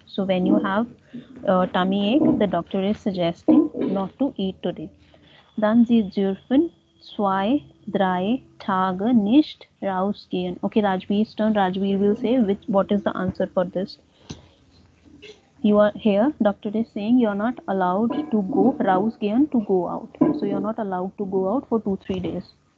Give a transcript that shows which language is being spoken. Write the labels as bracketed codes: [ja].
[en] So, when you have tummy ache, the doctor is suggesting not to eat today. [de] Dann Sie dürfen zwei, drei Tage nicht rausgehen. [en] Okay, Rajveer's turn. Rajveer will say what is the answer for this. You are here, doctor is saying you are not allowed to go, rausgehen, to go out. So you are not allowed to go out for 2-3 days.